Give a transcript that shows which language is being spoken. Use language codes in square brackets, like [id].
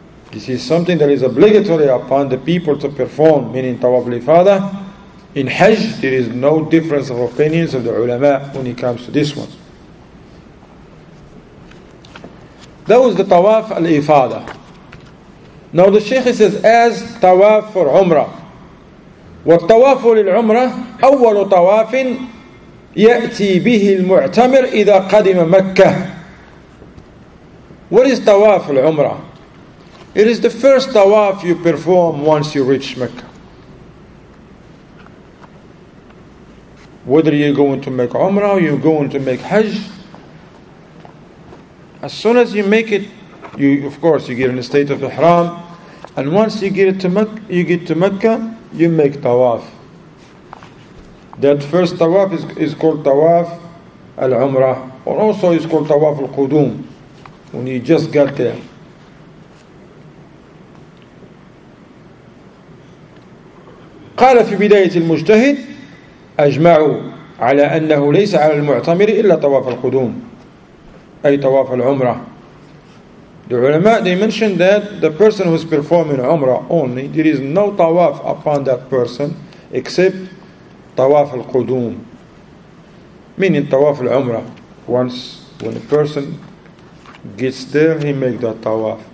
[en] This is something that is obligatory upon the people to perform, meaning tawaf al-ifada. In hajj, there is no difference of opinions of the ulama when it comes to this one. That was the tawaf al-ifada. Now the Shaykh says, as tawaf for umrah. [ar] والتواف للعمرة أول طواف يأتي به المعتمر إذا قدم مكة. [en] What is tawaf al-umrah? It is the first tawaf you perform once you reach Mecca. Whether you're going to make umrah or you're going to make hajj, as soon as you make it, you of course you get in a state of ihram, and once you get it to Mecca, you get to Mecca, you make tawaf. That first tawaf is called tawaf al-umrah, or also is called tawaf al-qudum, when you just got there. [ar] قال في بداية المجتهد أجمعوا على أنه ليس على المعتمر إلا تواف القدوم. أي تواف العمرة. [en] The ulama, they mentioned that the person who is performing umrah only, there is no tawaf upon that person except tawaf al-qudum. Meaning tawaf al-umrah. Once when a person gets there, he makes that tawaf.